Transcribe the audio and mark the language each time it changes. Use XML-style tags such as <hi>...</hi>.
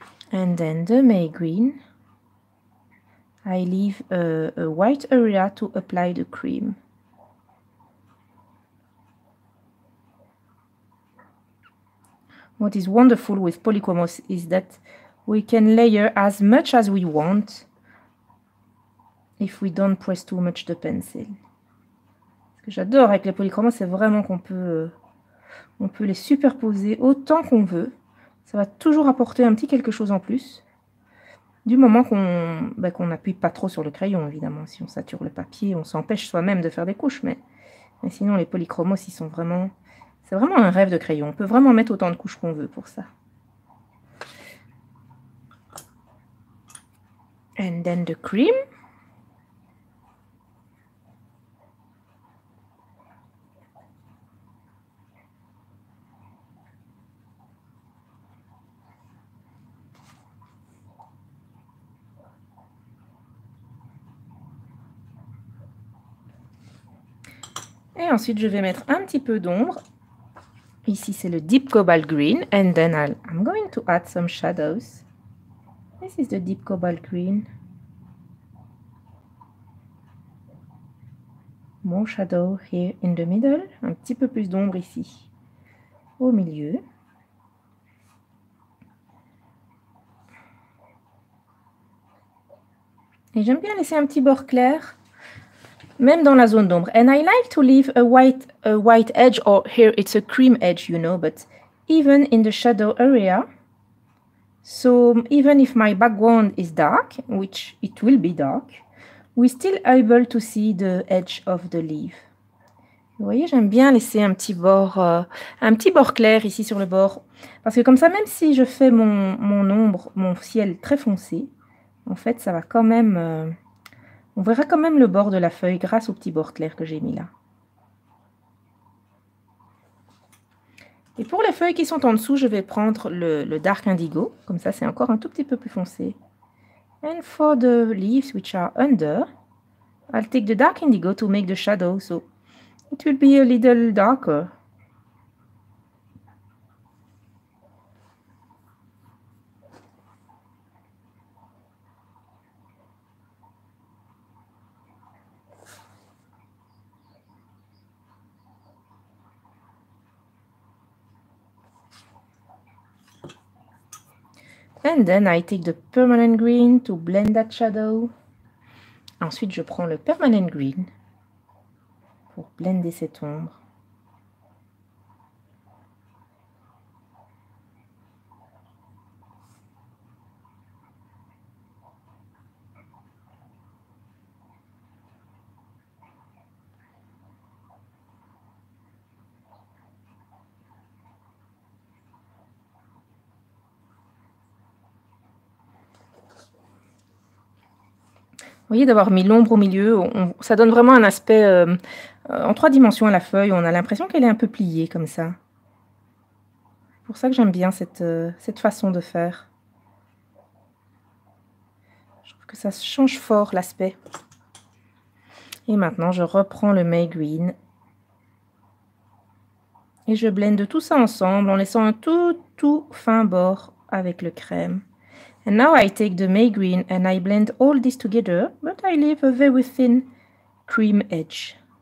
<en>And then the May green. I leave a white area to apply the cream. What is wonderful with polychromos is that we can layer as much as we want if we don't press too much the pencil.</en> <fr>Ce que j'adore avec les polychromos, c'est vraiment qu'on peut, les superposer autant qu'on veut. Ça va toujours apporter un petit quelque chose en plus. Du moment qu'on n'appuie pas trop sur le crayon, évidemment. Si on sature le papier, on s'empêche soi-même de faire des couches. Mais sinon, les polychromos, ils sont vraiment... C'est vraiment un rêve de crayon. On peut vraiment mettre autant de couches qu'on veut pour ça.</fr> <en>And then the cream.</en> <fr>Et ensuite, je vais mettre un petit peu d'ombre. Ici, c'est le deep cobalt green.</fr> <en>And then I'm going to add some shadows. This is the deep cobalt green. More shadow here in the middle.</en> <fr>Un petit peu plus d'ombre ici, au milieu. Et j'aime bien laisser un petit bord clair. Même dans la zone d'ombre.</fr> <en>And I like to leave a white edge, or here it's a cream edge, you know, but even in the shadow area, So even if my background is dark, which it will be dark, we're still able to see the edge of the leaf.</en> <fr>Vous voyez, j'aime bien laisser un petit bord clair ici sur le bord. Parce que comme ça, même si je fais mon ombre, mon ciel très foncé, en fait, ça va quand même... On verra quand même le bord de la feuille grâce au petit bord clair que j'ai mis là. Et pour les feuilles qui sont en dessous, je vais prendre le dark indigo. Comme ça, c'est encore un tout petit peu plus foncé.</fr> <en>And for the leaves which are under, I'll take the dark indigo to make the shadow. So it will be a little darker. And then I take the permanent green to blend that shadow.</en> <fr>Ensuite, je prends le permanent green pour blender cette ombre. Vous voyez, d'avoir mis l'ombre au milieu, ça donne vraiment un aspect en trois dimensions à la feuille. On a l'impression qu'elle est un peu pliée comme ça. C'est pour ça que j'aime bien cette façon de faire. Je trouve que ça change fort l'aspect. Et maintenant, je reprends le May Green. Et je blende tout ça ensemble en laissant un tout fin bord avec le crème.</fr> <en>And now I take the May Green and I blend all this together, but I leave a very thin cream edge.</en>